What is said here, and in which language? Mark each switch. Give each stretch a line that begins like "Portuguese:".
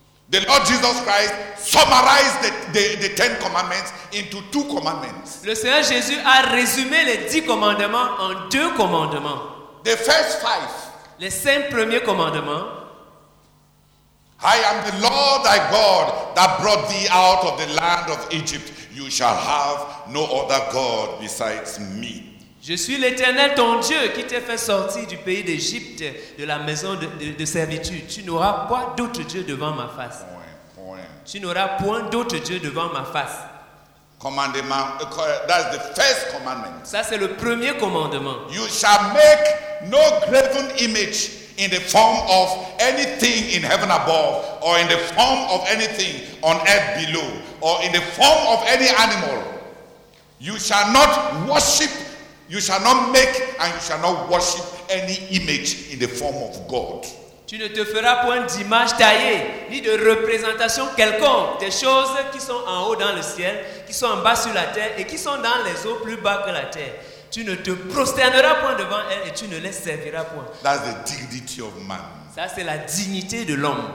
English: The Lord Jesus Christ summarized the Ten Commandments into 2 commandments.
French: Le Seigneur Jésus a résumé les 10 commandements en 2 commandements.
English: The first 5.
French: Les 5 premiers commandements.
English: I am the Lord thy God that brought thee out of the land of Egypt. You shall have no other God besides me.
French: Je suis l'Éternel ton Dieu qui t'ai fait sortir du pays d'Égypte, de la maison de servitude. Tu n'auras point d'autre Dieu devant ma face. Point. Tu n'auras point d'autre Dieu devant ma face.
English: Commandement. That's the first commandment.
French: Ça, c'est le premier commandement.
English: You shall make no graven image in the form of anything in heaven above, or in the form of anything on earth below, or in the form of any animal. You shall not worship, you shall not make, and you shall not worship any image in the form of God.
French: Tu ne te feras point d'image taillée, ni de représentation quelconque des choses qui sont en haut dans le ciel, qui sont en bas sur la terre, et qui sont dans les eaux plus bas que la terre. Tu ne te prosterneras point devant elle et tu ne les serviras point.
English: That's the dignity of man.
French: Ça, c'est la dignité de l'homme.